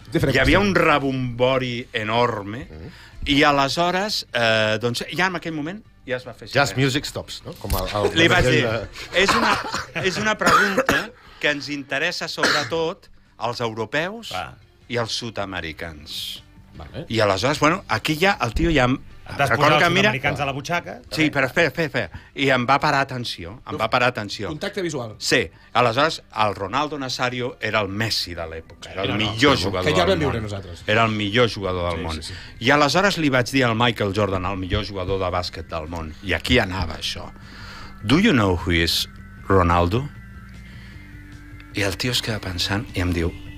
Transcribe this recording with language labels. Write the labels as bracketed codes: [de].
[ca] Hi havia un rebombori enorme, i aleshores, doncs, ja en aquell moment, ja es va fer... [en] Jazz music stops, [ca] no? Com el li vaig dir, és una pregunta que ens interessa sobretot els europeus i els sud-americans. Vale. I aleshores, bueno, aquí ja el tio ja Recordo que mira... Americans a la butxaca. Sí, bé. Però espera. I em va parar atenció, Contacte visual. Sí. Aleshores, el Ronaldo Nazario era el Messi de l'època. Era el millor jugador del món. Que ja vam viure nosaltres. Era el millor jugador del món. I aleshores li vaig dir al Michael Jordan, el millor jugador de bàsquet del món. I aquí anava això. [en] Do you know who is Ronaldo? [ca] I el tio es queda pensant i em diu...